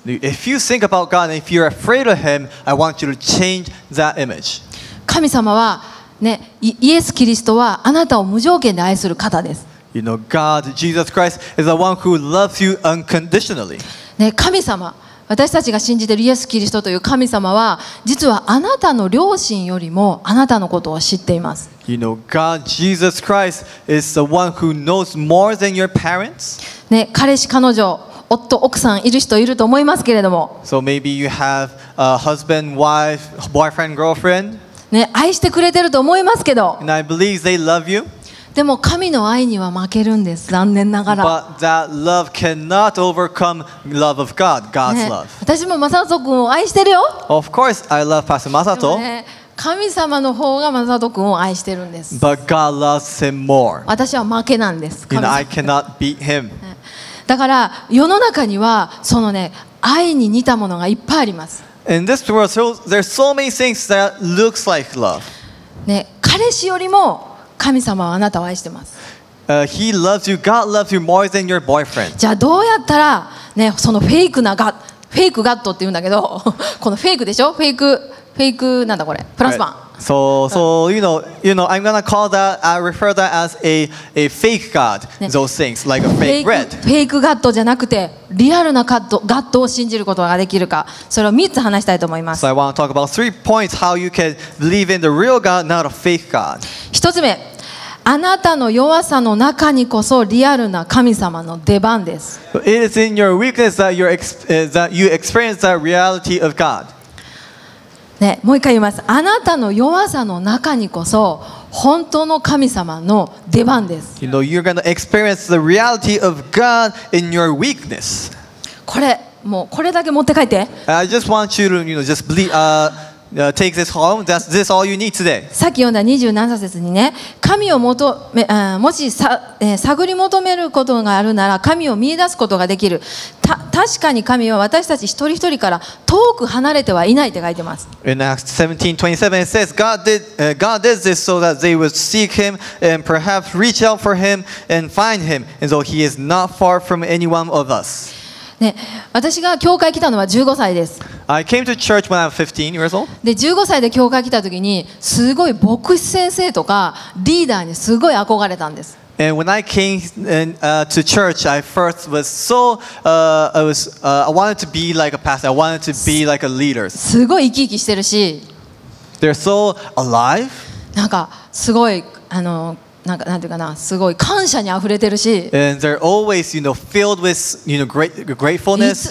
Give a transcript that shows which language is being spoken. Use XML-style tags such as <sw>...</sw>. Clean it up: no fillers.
<en>If you think about God and if you're afraid of Him, I want you to change that image.</en> <ja>神様はね、イエス・キリストはあなたを無条件で愛する方です。</ja> <en>You know, God, Jesus Christ, is the one who loves you unconditionally.</en> <ja>ね、神様、私たちが信じているイエス・キリストという神様は、実はあなたの両親よりもあなたのことを知っています。</ja> <en>You know, God, Jesus Christ, is the one who knows more than your parents.</en> <ja>彼氏、彼女、夫、奥さん、いる人いると思いますけれども。</ja> <en>So maybe you have a husband, wife, boyfriend, girlfriend.</en> <ja>愛してくれてると思いますけど。</ja> <en>And I believe they love you.</en> <ja>でも神の愛には負けるんです、残念ながら。</ja> <en>But that love cannot overcome love of God, God's love.</en> <ja>私もマサト君を愛してるよ。</ja> <en>Of course, I love Pastor Masato.</en> <ja>神様の方がマサト君を愛してるんです。</ja> <en>But God loves him more.</en> <ja>私は負けなんです、神様。</ja> <en>And I cannot beat him.</en> <ja>だから世の中にはそのね、愛に似たものがいっぱいあります。</ja> <en>In this world, there's so many things that looks like love.</en> <ja>ね、彼氏よりも神様はあなたを愛してます。</ja> <en>He loves you. God loves you more than your boyfriend.</en> <ja>じゃあどうやったらね、そのフェイクなガッ、フェイクガッドって言うんだけど、このフェイクでしょ？フェイク。 フェイク、なんだこれ？フランスパン。</ja> <en>Right. So you know I'm gonna call that I refer that as a fake god. Those things like a fake bread.</en> <ja>Fake god じゃなくてリアルなガッド、ガッドを信じることができるか、それを3つ話したいと思います。</ja> <en>So I want to talk about three points how you can believe in the real god, not a fake god.</en> <ja>一つ目、あなたの弱さの中にこそリアルな神様の出番です。</ja> <en>It is in your weakness that you experience the reality of God.</en> <ja>ね、もう一回言います。あなたの弱さの中にこそ本当の神様の出番です。</ja> <en>You know, you're going to experience the reality of God in your weakness.</en> <ja>これ、もうこれだけ持って帰って。</ja> <en>I just want you to, you know, just believe, take this home. That's this all you need today.</en> <ja>さっき読んだ二十何節にね、神を求め、もし探り求めることがあるなら、神を見出すことができる。確かに神は私たち一人一人から遠く離れてはいないって書いてます。</ja> <en>In Acts 17:27 it says, God did this so that they would seek him and perhaps reach out for him and find him, and so he is not far from any one of us.</en> <ja>ね、私が教会来たのは15歳です。</ja> <en>I came to church when I was 15 years old.</en> <ja>で、15歳で教会来た時に、すごい牧師先生とかリーダーにすごい憧れたんです。</ja> <en>And when I came to church, I first was so I wanted to be like a pastor. I wanted to be like a leader.</en> <ja>すごい生き生きしてるし。</ja> <en>They're so alive.</en> <ja>なんかすごいなんかなんていうかな、すごい感謝にあふれてるし、</ja> <en>always, you know, with, you know, gratefulness,</en>